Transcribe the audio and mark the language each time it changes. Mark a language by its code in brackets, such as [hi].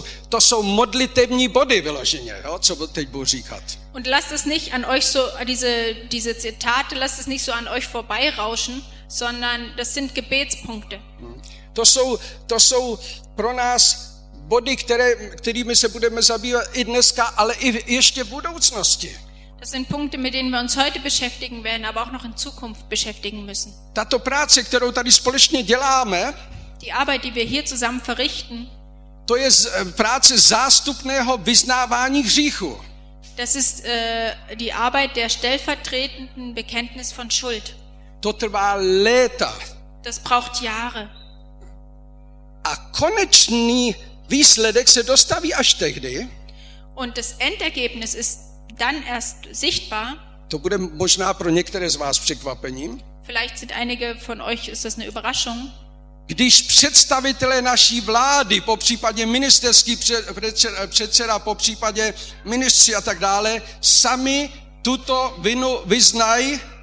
[cs] To jsou modlitevní body vyloženě, jo, co teď budu říkat. [de] Und lasst es nicht an euch so, diese Zitate, lasst es nicht so an euch vorbeirauschen, sondern das sind Gebetspunkte. [cs] To jsou pro nás body, kterými se budeme zabývat i dneska, ale i ještě v budoucnosti. [de] Das sind Punkte, mit denen wir uns heute beschäftigen werden, aber auch noch in Zukunft beschäftigen müssen. [cs] Tato práce, kterou tady společně děláme, [de] die Arbeit, die wir hier zusammen verrichten, [cs] to je práce zástupného vyznávání hříchu. [de] Das ist die Arbeit der stellvertretenden Bekenntnis von Schuld. [cs] To trvá léta. [de] Das braucht Jahre. [cs] A konečný výsledek se dostaví až tehdy. [de] Und das Endergebnis ist dann erst sichtbar. [cs] To bude možná pro některé z vás překvapením. [de] Vielleicht sind einige von euch ist das eine Überraschung. [cs] Když představitelé naší vlády, popřípadě ministerský předseda, popřípadě ministři a tak dále, sami tuto vinu vyznají.